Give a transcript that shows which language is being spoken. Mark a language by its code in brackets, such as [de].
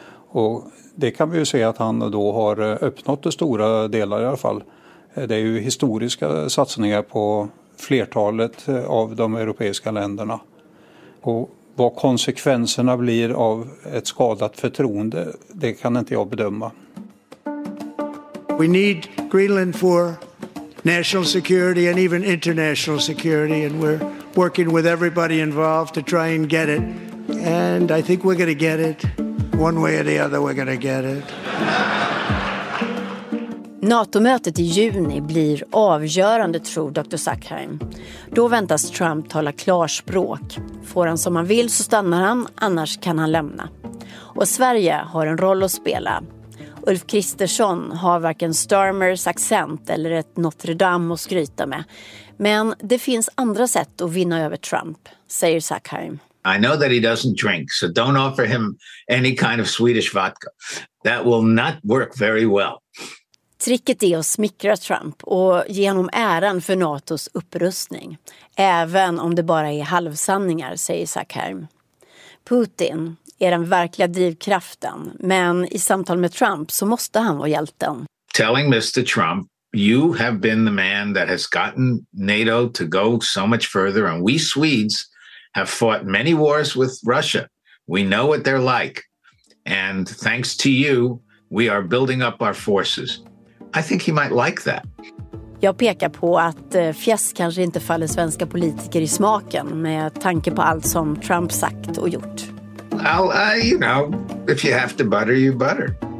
[sv] Och det kan vi ju se att han då har öppnat de stora delar i alla fall. Det är ju historiska satsningar på flertalet av de europeiska länderna. Och vad konsekvenserna blir av ett skadat förtroende, det kan inte jag bedöma. [en] We need Greenland for national security and even international security, and we're working with everybody involved to try and get it. And I think we're going to get it. One way or the other, we're going to get it. [sv] NATO-mötet i juni blir avgörande, tror Dr. Sackheim. Då väntas Trump tala klarspråk. Får han som han vill så stannar han, annars kan han lämna. Och Sverige har en roll att spela. Ulf Kristersson har varken Starmers accent eller ett Notre Dame att skryta med. Men det finns andra sätt att vinna över Trump, säger Sackheim. [en] I know that he doesn't drink, so don't offer him any kind of Swedish vodka. That will not work very well. [sv] Tricket är att smickra Trump och ge honom äran för NATOs upprustning. Även om det bara är halvsanningar, säger Sackheim. Putin är den verkliga drivkraften, men i samtal med Trump så måste han vara hjälten. [en] Telling Mr. Trump, you have been the man that has gotten NATO to go so much further, and we Swedes have fought many wars with Russia. We know what they're like. And thanks to you, we are building up our forces. I think he might like that. [sv] Jag pekar på att fjäs kanske inte faller svenska politiker i smaken med tanke på allt som Trump sagt och gjort. [en] Well, you know, if you have to butter, you butter.